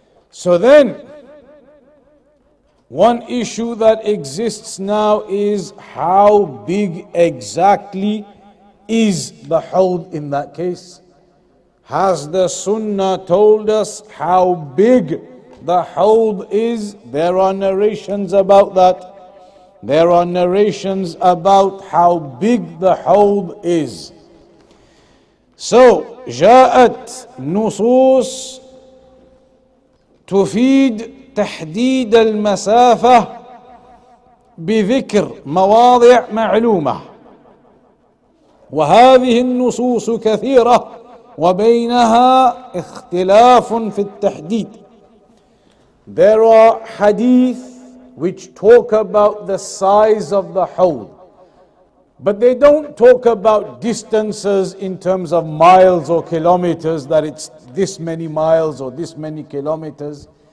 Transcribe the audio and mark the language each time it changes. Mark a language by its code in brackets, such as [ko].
[en] So then, one issue that exists now is how big exactly is the hold in that case? Has the Sunnah told us how big the hold is? There are narrations about that. There are narrations about how big the hold is. [ar] So, جاءت نصوص تفيد تحديد المسافة بذكر مواضع معلومة. وهذه النصوص كثيرة وبينها اختلاف في التحديد. [en] There are hadith which talk about the size of the hawd, but they don't talk about distances in terms of miles or kilometers, that it's this many miles or this many kilometers.